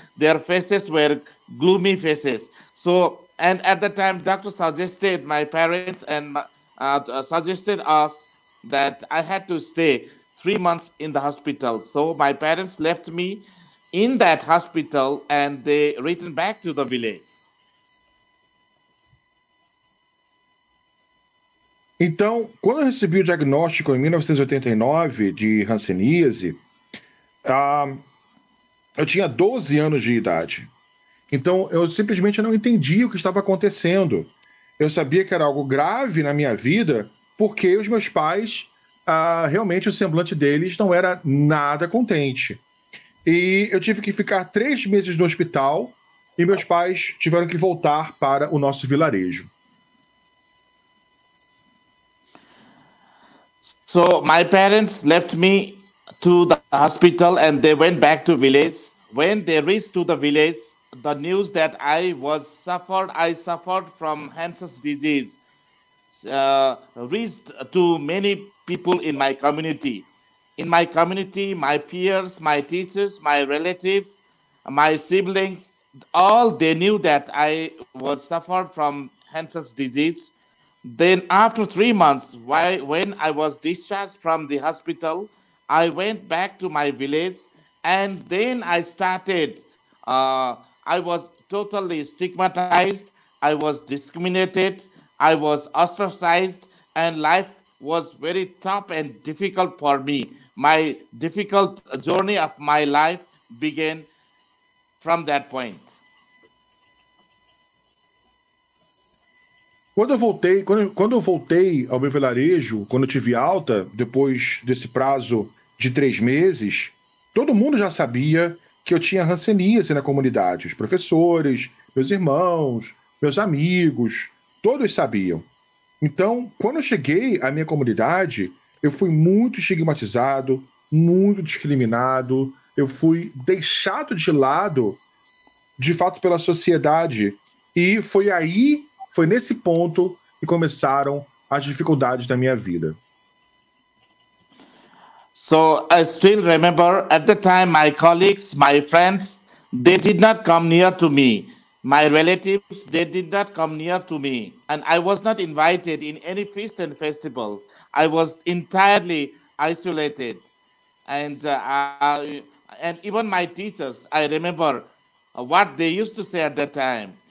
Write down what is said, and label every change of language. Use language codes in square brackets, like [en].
[en] Their faces were gloomy faces. So, and at the time, doctor suggested my parents and suggested us that I had to stay 3 months in the hospital. So my parents left me in that hospital and they returned back to the village. [pt] Então, quando eu recebi o diagnóstico em 1989 de hanseníase, eu tinha 12 anos de idade. Então, eu simplesmente não entendi o que estava acontecendo. Eu sabia que era algo grave na minha vida, porque os meus pais, realmente o semblante deles não era nada contente. E eu tive que ficar 3 meses no hospital e meus pais tiveram que voltar para o nosso vilarejo. [en] So my parents left me to the hospital and they went back to village. When they reached to the village, the news that I suffered from Hansen's disease reached to many people in my community. In my community, my peers, my teachers, my relatives, my siblings, all they knew that I was suffered from Hansen's disease. Then after 3 months, when I was discharged from the hospital, I went back to my village, and then I started, I was totally stigmatized, I was discriminated, I was ostracized, and life was very tough and difficult for me. My difficult journey of my life began from that point. [pt] Quando eu voltei ao meu vilarejo, quando eu tive alta, depois desse prazo de 3 meses, todo mundo já sabia que eu tinha hanseníase na comunidade. Os professores, meus irmãos, meus amigos, todos sabiam. Então, quando eu cheguei à minha comunidade, eu fui muito estigmatizado, muito discriminado. Eu fui deixado de lado, de fato, pela sociedade. E foi aí... Foi nesse ponto que começaram as dificuldades da minha vida. [en] So I still remember at the time my colleagues, my friends, they did not come near to me. My relatives, they did not come near to me. And I was not invited in any feast and festival. I was entirely isolated. And even my teachers, I remember what they used to say at that time.